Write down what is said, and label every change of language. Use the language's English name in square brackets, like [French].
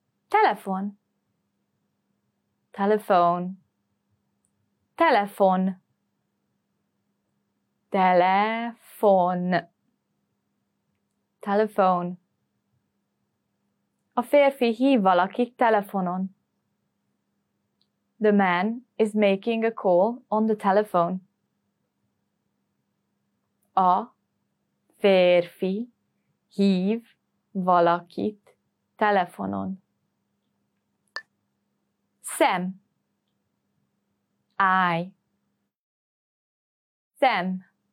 [Hungarian] Telefon. Telephone. Telefon. Telefon. Telephone. A férfi hív valakit telefonon. [English] The man is making a call on the telephone. [Hungarian] A férfi hív valakit telefonon. Szem. Eye. Szem.